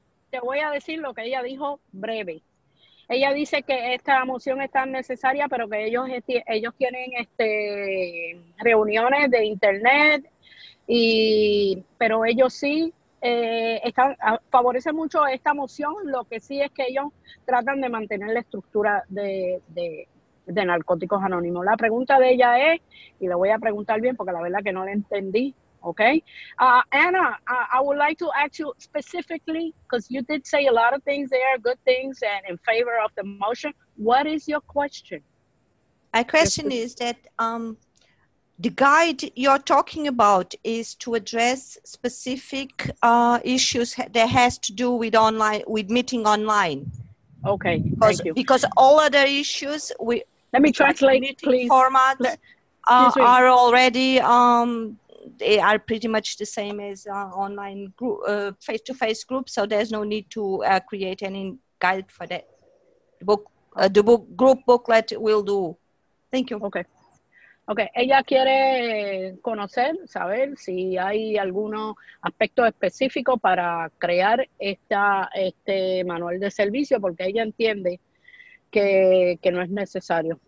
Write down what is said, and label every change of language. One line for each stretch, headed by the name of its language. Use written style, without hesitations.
Spanish: Te voy a decir lo que ella dijo breve. Ella dice que esta moción es tan necesaria, pero que ellos tienen reuniones de internet, están favorece mucho esta moción. Lo que sí es que ellos tratan de mantener la estructura de Narcóticos Anónimos. La pregunta de ella es, y le voy a preguntar bien porque la verdad que no la entendí, okay?
English: Anna, I would like to ask you specifically, because you did say a lot of things there, good things, and in favor of the motion. What is your question? My question is that the guide you're talking about is to address specific issues that has to do with meeting online. Okay, because, thank you. Because all other issues, let me translate, meeting formats are already, they are pretty much the same as online group, face-to-face groups, so there's no need to create any guide for that. Group booklet will do. Thank you. Okay.
Spanish: Okay, ella quiere conocer, saber si hay algunos aspectos específicos para crear este manual de servicio, porque ella entiende que no es necesario.